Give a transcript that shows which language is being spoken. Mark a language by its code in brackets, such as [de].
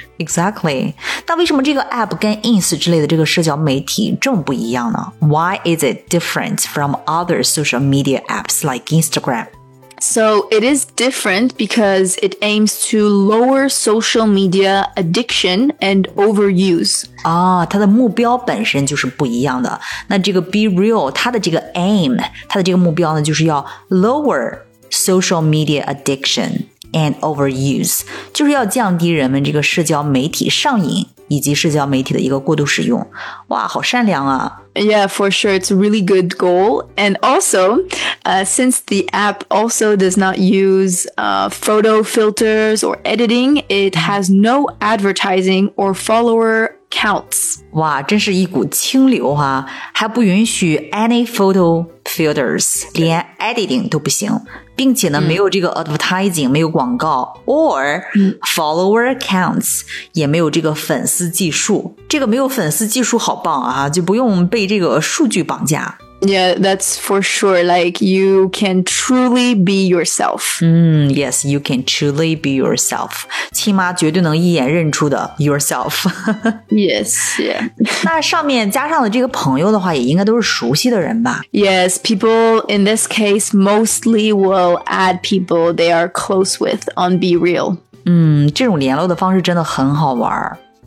[en] Exactly. [zh] 那为什么这个 app 跟 Ins 之类的这个社交媒体这么不一样呢? [en] Why is it different from other social media apps like Instagram? So it is different because it aims to lower social media addiction and overuse. [zh] 它的目标本身就是不一样的。那这个 Be Real, 它的这个 aim, 它的这个目标呢就是要 [en] lower social media addiction and overuse, [zh] 就是要降低人们这个社交媒体上瘾。以及社交媒体的一个过度使用。哇，好善良啊。 [en] Yeah, for sure, it's a really good goal. And also, since the app also does not use photo filters or editing, it has no advertising or follower counts. [zh] 哇，真是一股清流啊，还不允许 [en] any photo filters, [zh] 连 editing 都不行。并且呢没有这个 advertising, 没有广告 [en] or follower counts, [zh] 也没有这个粉丝计数。这个没有粉丝计数好棒啊，就不用被这个数据绑架。 [en] Yeah, that's for sure. Like, you can truly be yourself. Yes, you can truly be yourself. [zh] 亲妈绝对能一眼认出的 [en] yourself. Yes, yeah. [zh] 那上面加上的这个朋友的话也应该都是熟悉的人吧。 [en] Yes, people in this case mostly will add people they are close with on Be Real. [zh] 这种联络的方式真的很好玩。